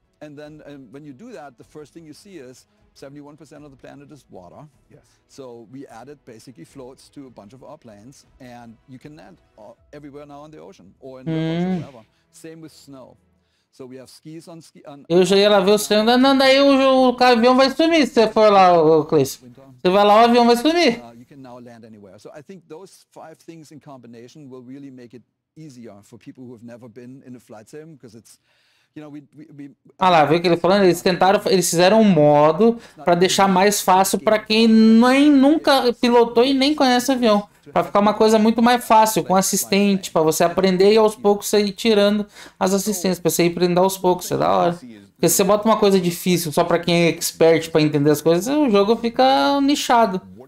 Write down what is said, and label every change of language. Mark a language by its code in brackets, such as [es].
[en] And then when you do that, the first thing you see is 71% of the planet is water. Yes. So we added basically floats to a bunch of our planes, and you can land everywhere now on the ocean or in the ocean whatever. Same with snow. So we have skis on ski. [pt] Eu já ia lá ver o senhor andando, aí o avião vai sumir. Se você for lá, Cleis, você vai lá, o avião vai sumir. [en] You can now land anywhere. So I think those five things in combination will really make it easier for people who have never been in a flight sim, because it's, you know, we. [pt] Ah lá, viu o que ele falando? Eles fizeram um modo para deixar mais fácil para quem nem nunca pilotou e nem conhece avião. Para ficar uma coisa muito mais fácil, com assistente, para você aprender e aos poucos sair tirando as assistências, para você ir aprendendo aos poucos, é da hora. Porque se você bota uma coisa difícil só para quem é expert para entender as coisas, o jogo fica nichado.